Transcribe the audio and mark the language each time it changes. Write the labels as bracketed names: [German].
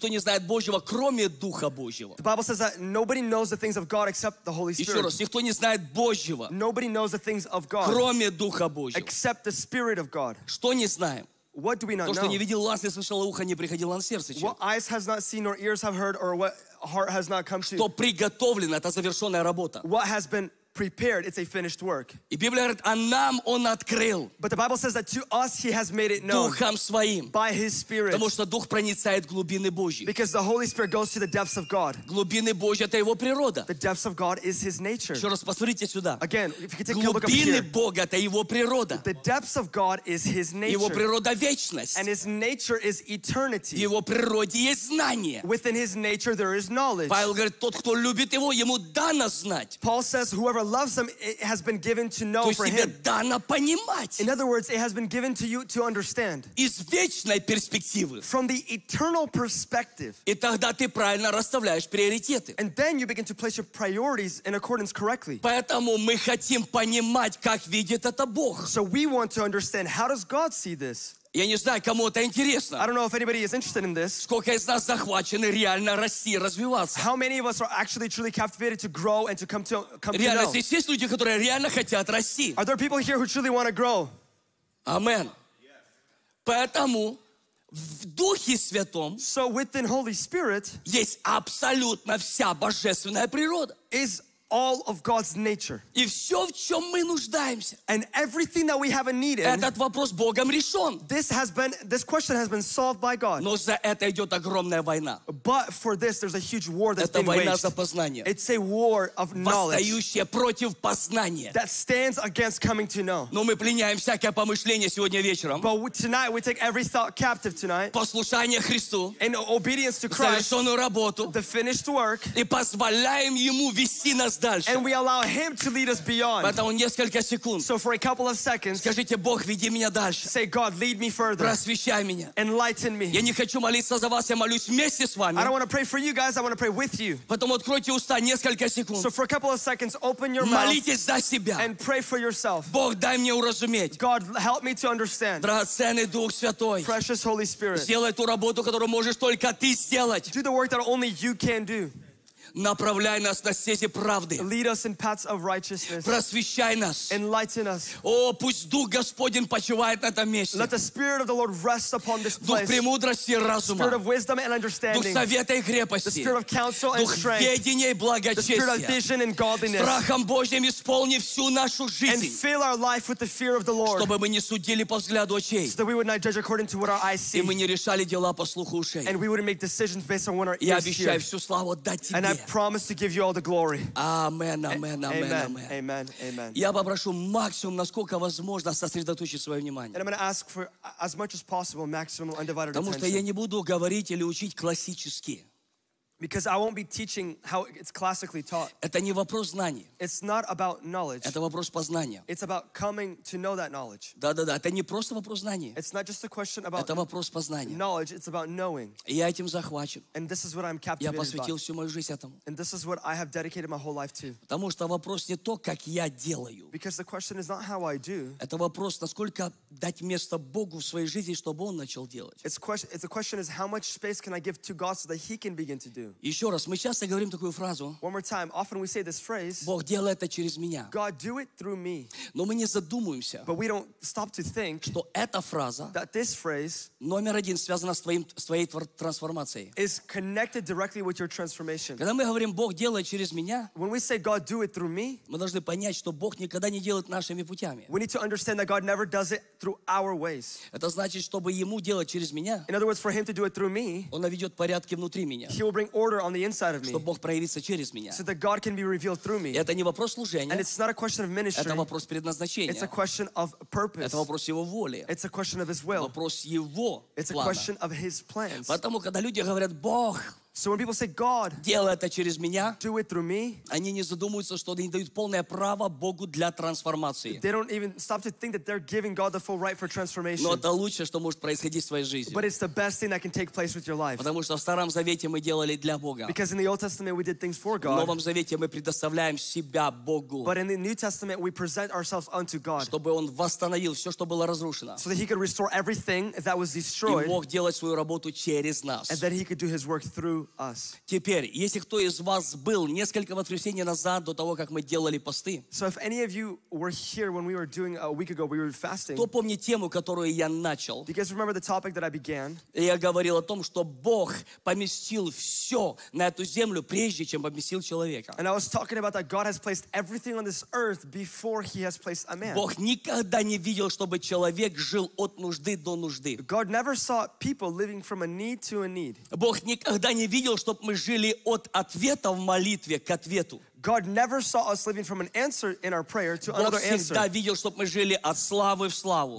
[English] The Bible says that nobody knows the things of God except the Holy Spirit. Nobody knows the things of God except the Spirit of God. What do we not know? What eyes has not seen, nor ears have heard, or what heart has not come to. [Russian] Что приготовлено, это завершенная работа. [English] What has been prepared, it's a finished work. [Russian] И Библия говорит, а нам он открыл. [English] But the Bible says that to us he has made it known. [Russian] Духом своим. [English] By his spirit. [Russian] Потому что дух проницает глубины Божьи. [English] Because the Holy Spirit goes to the depths of God. [Russian] Глубины Божьи это его природа. [English] The depths of God is his nature. [Russian] Еще раз посмотрите сюда. [English] Again, if you can take a look up here. [Russian] Глубины Бога это его природа. [English] The depths of God is his nature. [Russian] Его природа вечность. [English] And his nature is eternity. [Russian] В его природе есть знание. [English] Within his nature there is knowledge. [Russian] Павел говорит, тот, кто любит его, ему дано знать. [English] Paul says, whoever loves them, it has been given to know for him. [Russian] Дано понимать. [English] In other words, it has been given to you to understand. [Russian] Из вечной перспективы. [English] From the eternal perspective. [Russian] И тогда ты правильно расставляешь приоритеты. [English] And then you begin to place your priorities in accordance correctly. [Russian] Поэтому мы хотим понимать, как видит это Бог. [English] So we want to understand, how does God see this? [Russian] Я не знаю, кому это интересно. [English] I don't know if anybody is interested in this. [Russian] Сколько из нас захвачены реально расти, развиваться? [English] How many of us are actually truly captivated to grow and to come to know? [Russian] Реально, здесь есть люди, которые реально хотят расти. [English] Are there people here who truly want to grow? [Russian] Амен. Поэтому в Духе Святом [English] so within Holy Spirit [Russian] есть абсолютно вся божественная природа. [English] Is all of God's nature. [Russian] И все, в чем мы нуждаемся. [English] And everything that we have a need in. [Russian] Этот вопрос Богом решен. [English] This question has been solved by God. [Russian] Но за это идет огромная война. [English] But for this, there's a huge war that's [Russian] это [English] been waged. [Russian] Это война за познание. [English] It's a war of knowledge. [Russian] Восстающая против познания. [English] That stands against coming to know. [Russian] Но мы пленяем всякое помышление сегодня вечером. [English] But tonight we take every thought captive tonight. [Russian] Послушание Христу. [English] In obedience to Christ. [Russian] Завершенную работу. [English] The finished work. [Russian] И позволяем ему вести на [English] and we allow him to lead us beyond. So for a couple of seconds, [Russian] скажите, Бог, веди меня дальше. [English] Say, God, lead me further. [Russian] Просвещай меня. [English] Enlighten me. [Russian] Я не хочу молиться за вас, я молюсь вместе с вами. [English] I don't want to pray for you guys, I want to pray with you. [Russian] Потом откройте уста, несколько секунд. [English] So for a couple of seconds, open your [Russian] молитесь [English] mouth [Russian] за себя. [English] And pray for yourself. [Russian] Бог, дай мне уразуметь. [English] God, help me to understand. [Russian] Драгоценный Дух Святой. [English] Precious Holy Spirit. [Russian] Сделай ту работу, которую можешь только ты сделать. [English] Do the work that only you can do. [Russian] Направляй нас на стези правды. [English] Lead us in paths of righteousness. [Russian] Просвещай нас. [English] Enlighten us. [Russian] О, пусть Дух Господень почивает на этом месте. [English] Let the Spirit of the Lord rest upon this place. [Russian] Дух премудрости и разума. [English] Spirit of wisdom and understanding. [Russian] Дух совета и крепости. [English] The Spirit of counsel and strength. [Russian] Дух ведения и благочестия. [English] The Spirit of vision and godliness. [Russian] Страхом Божьим исполни всю нашу жизнь. [English] And fill our life with the fear of the Lord. [Russian] Чтобы мы не судили по взгляду очей. [English] So that we would not judge according to what our eyes see. [Russian] И мы не решали дела по слуху ушей. [English] And we wouldn't make decisions based on what our ears hear. [Russian] Я обещаю всю славу дать тебе. [English] Promise to give you all the glory. Amen, amen, amen, amen. Amen, amen. [Russian] Я попрошу максимум, насколько возможно, сосредоточить свое внимание. [English] And I'm going to ask for as much as possible maximum undivided attention. [Russian] Потому что я не буду говорить или учить классически. [English] Because I won't be teaching how it's classically taught. [Russian] Это не вопрос знаний. [English] It's not about knowledge. [Russian] Это вопрос познания. [English] It's about coming to know that knowledge. [Russian] Да-да-да, это не просто вопрос знаний. [English] It's not just a question about [Russian] это вопрос познания. [English] Knowledge, it's about knowing. [Russian] И я этим захвачен. [English] And this is what I'm captivated [Russian] я посвятил всю мою жизнь этому. [English] And this is what I have dedicated my whole life to. [Russian] Потому что вопрос не то, как я делаю. [English] Because the question is not how I do. [Russian] Это вопрос, насколько дать место Богу в своей жизни, чтобы Он начал делать. [English] The question is how much space can I give to God so that He can begin to do. [Russian] Еще раз, мы часто говорим такую фразу. [English] One more time, often we say this phrase. [Russian] Бог делает это через меня. [English] God do it through me. [Russian] Но мы не задумываемся. [English] But we don't stop to think. [Russian] Что эта фраза. [English] That this phrase. [Russian] Номер один связана с твоим своей трансформацией. [English] Is connected directly with your transformation. [Russian] Когда мы говорим Бог делает через меня. [English] When we say God do it through me. [Russian] Мы должны понять, что Бог никогда не делает нашими путями. [English] We need to understand that God never does it through our ways. [Russian] Это значит, чтобы Ему делать через меня. [English] In other words, for Him to do it through me. [Russian] Он наведет порядки внутри меня. [English] He will bring order on the inside of me. [Russian] Чтобы Бог проявился через меня. [English] So that God can be revealed through me. [Russian] Это не вопрос служения. [English] And it's not a question of ministry. [Russian] Это вопрос предназначения. [English] It's a question of purpose. [Russian] Это вопрос Его воли. [English] It's a question of His will. [Russian] Вопрос Его плана. [English] It's a question of His plans. [Russian] Поэтому, когда люди говорят, Бог... [English] So when people say God, [Russian] делай это через меня, [English] do it through me, [Russian] они не задумываются, что они дают полное право Богу для трансформации. [English] They don't even stop to think that they're giving God the full right for transformation. [Russian] Но это лучшее, что может происходить в твоей жизни. [English] But it's the best thing that can take place with your life. [Russian] Потому что в Старом Завете мы делали для Бога. [English] Because in the Old Testament we did things for God. [Russian] В Новом Завете мы предоставляем себя Богу. [English] But in the New Testament we present ourselves unto God. [Russian] Чтобы Он восстановил все, что было разрушено. [English] So that He could restore everything that was destroyed. [Russian] И мог делать свою работу через нас. [English] And that He could do His work through us. [Russian] Теперь, если кто из вас был несколько воскресений назад до того, как мы делали посты, [English] so if any of you were here when we were doing a week ago, we were fasting. [Russian] Кто помнит тему, которую я начал? [English] Do you guys remember the topic that I began? [Russian] Я говорил о том, что Бог поместил все на эту землю прежде, чем поместил человека. [English] And I was talking about that God has placed everything on this earth before He has placed a man. [Russian] Бог никогда не видел, чтобы человек жил от нужды до нужды. [English] God never saw people living from a need to a need. [Russian] Бог никогда не видел, чтобы мы жили от ответа в молитве к ответу. [English] God never saw us living from an answer in our prayer to another answer. [Russian] Бог всегда видел, чтобы мы жили от славы в славу.